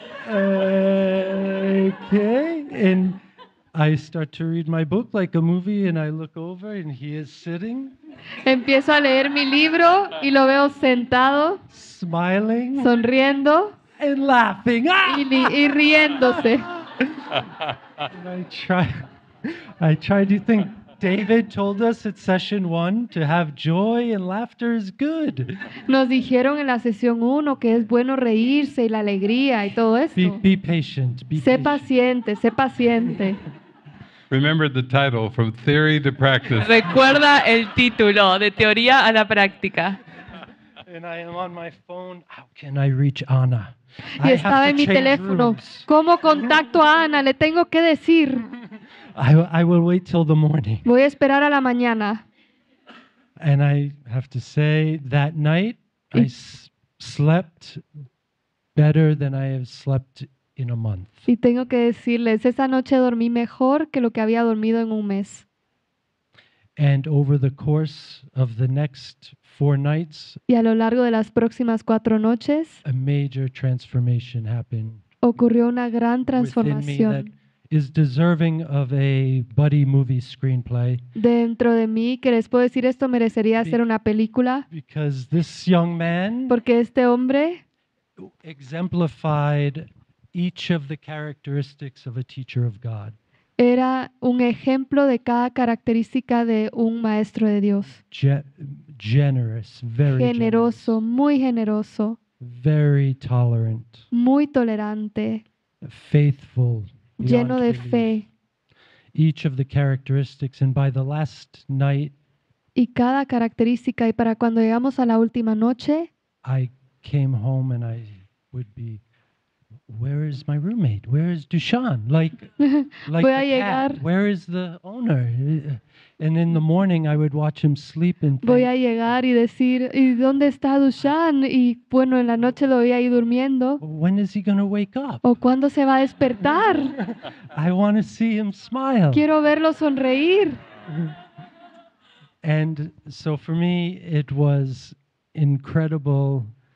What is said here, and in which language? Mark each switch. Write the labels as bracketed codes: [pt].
[en] Okay, and I start to read my book like a movie, and I look over, and he is sitting. [es] Empiezo a leer mi libro y lo veo sentado, [en] smiling, [es] sonriendo, [en] and laughing, [es] y riéndose. [en] And I try to think, David told us at session one to have joy and laughter is good. [es] Nos dijeron en la sesión uno que es bueno reírse y la alegría y todo esto. [en] Be patient. [es] Sé paciente, sé paciente. [en] Remember the title, From Theory to Practice. [es] Recuerda el título, De Teoría a la Práctica. [en] And I am on my phone. How can I reach Anna? [es] Y estaba en mi teléfono. ¿Cómo contacto a Ana? Le tengo que decir. [en] I will wait till the morning. [es] Voy a esperar a la mañana. [en] And I have to say, that night I slept better than I have slept in a month. [es] Y tengo que decirles, esa noche dormí mejor que lo que había dormido en un mes. [en] And over the course of the next four nights, [es] y a lo largo de las próximas cuatro noches, [en] a major transformation happened. [es] Ocurrió una gran transformación [en] within me that is deserving of a buddy movie screenplay. [es] Dentro de mí, que les puedo decir, esto merecería ser una película. [en] Because this young man, [es] porque este hombre, [en] exemplified each of the characteristics of a teacher of God. [es] Era un ejemplo de cada característica de un maestro de Dios. [en] Generous, very [es] generoso, [en] generous. [es] Muy generoso. [en] Very tolerant. [es] Muy tolerante. [en] Faithful. [es] Lleno de fe. [en] Each of the characteristics, and by the last night, [es] y cada característica, y para cuando llegamos a la última noche, [en] I came home and I would be, where is my roommate? Where is Dushan? Like [es] voy a [en] the [es] llegar. [en] Cat. Where is the owner? And in the morning, I would watch him sleep and pray. [es] Voy a llegar y decir, ¿y dónde está Dushan? Y bueno, en la noche lo veía ahí durmiendo. [en] When is he going to wake up? [es] ¿O cuándo se va a despertar? [en] I want to see him smile. [es] Quiero verlo sonreír. [en] And so for me, it was incredible.